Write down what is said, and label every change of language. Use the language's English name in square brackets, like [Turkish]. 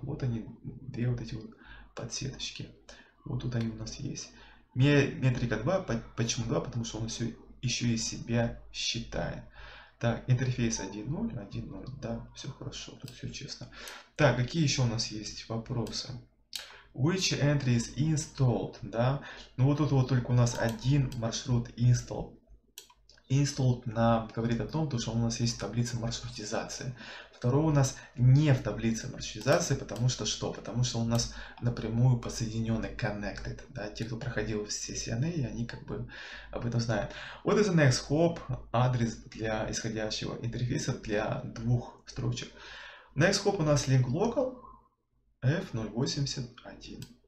[Russian] Вот они, две вот эти вот подсеточки. Вот тут они у нас есть. Метрика 2. Почему 2? Потому что он все еще из себя считает. Так, интерфейс 1.0, 1.0. Да, все хорошо, тут все честно. Так, какие еще у нас есть вопросы? [English] Which entry is installed? [Russian] Да, ну вот тут вот только у нас один маршрут install. Install нам говорит о том, что у нас есть таблица маршрутизации. Второй у нас не в таблице маршрутизации, потому что что? Потому что у нас напрямую подсоединенный, connected. Да? Те, кто проходил все CNA, они как бы об этом знают. [English] What is the next hop? [Russian] Адрес для исходящего интерфейса для двух строчек. Next hop у нас link local F081.